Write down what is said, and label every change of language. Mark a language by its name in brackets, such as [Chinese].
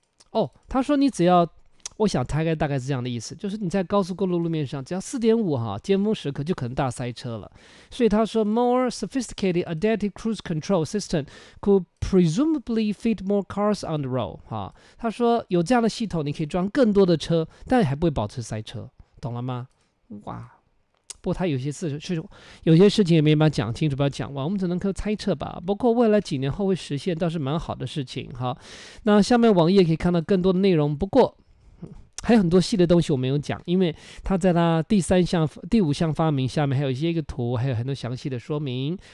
[Chinese] 哦，他说你只要，我想大概是这样的意思，就是你在高速公路路面上只要 4.5 哈，尖峰时刻就可能大塞车了。 [English] 所以他说，more sophisticated adaptive cruise control system could presumably fit more cars on the road 哈。 [Chinese] 他说有这样的系统，你可以装更多的车，但还不会保持塞车，懂了吗？哇，不过他有些事情也没办法讲清楚，不要讲完，我们只能够猜测吧。不过未来几年后会实现倒是蛮好的事情。好，那下面网页可以看到更多的内容，不过还有很多细的东西我没有讲，因为他在他第三项第五项发明下面还有一些一个图，还有很多详细的说明。